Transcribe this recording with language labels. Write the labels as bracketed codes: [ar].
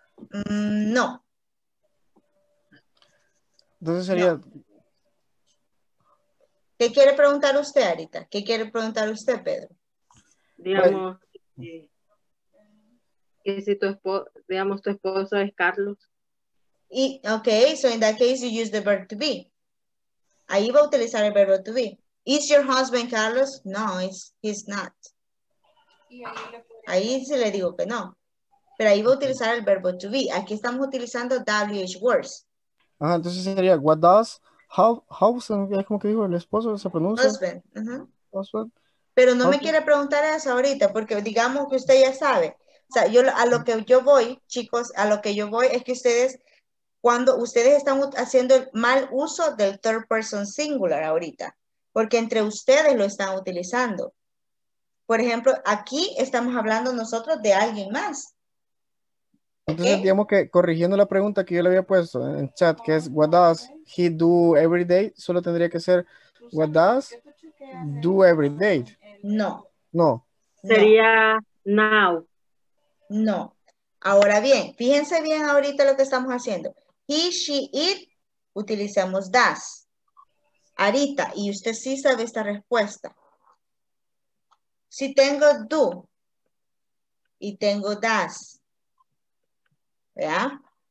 [es] No. Entonces sería... No. ¿Qué quiere preguntar usted, Arita? ¿Qué quiere preguntar usted, Pedro? Digamos, ¿qué si tu esposo, digamos, tu esposo es Carlos? [en] Y, ok, so in that case you use the verb to be. [es] Ahí va a utilizar el verbo to be. [en] Is your husband Carlos? No, he's not. [es] Ahí se le digo que no. Pero ahí va a utilizar el verbo to be. Aquí estamos utilizando WH words. Ah, entonces sería, [en] what does, how, [es] es como que dijo el esposo, se pronuncia. [en] Husband. Uh-huh. Husband. [es] Pero no me quiere preguntar eso ahorita, porque digamos que usted ya sabe. O sea, yo a lo que yo voy, chicos, a lo que yo voy es que ustedes, cuando ustedes están haciendo el mal uso del third person singular ahorita, porque entre ustedes lo están utilizando. Por ejemplo, aquí estamos hablando nosotros de alguien más. Entonces, ¿eh? Digamos que corrigiendo la pregunta que yo le había puesto en chat, que es, [en] what does he do every day? [es] Solo tendría que ser, [en] what does do every day? [es] No. No. Sería now. No. Ahora bien, fíjense bien ahorita lo que estamos haciendo. He, she, it, utilizamos does. Arita, y usted sí sabe esta respuesta. Si tengo do y tengo does, ¿ya?